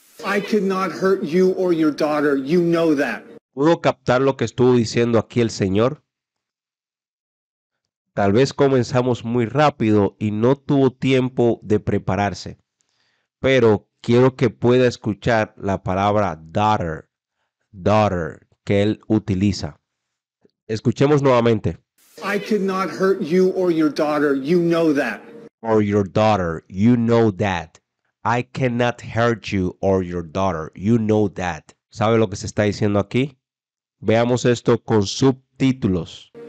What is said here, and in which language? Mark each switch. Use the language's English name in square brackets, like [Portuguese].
[English] I could not hurt you or your daughter. You know that. [Spanish] ¿Pudo captar lo que estuvo diciendo aquí el señor? Tal vez comenzamos muy rápido y no tuvo tiempo de prepararse. Pero quiero que pueda escuchar la palabra daughter, daughter, que él utiliza. Escuchemos nuevamente. [English] I could not hurt you or your daughter. You know that. Or your daughter. You know that. I cannot hurt you or your daughter. You know that. [Spanish] ¿Sabe lo que se está diciendo aquí? Veamos esto con subtítulos.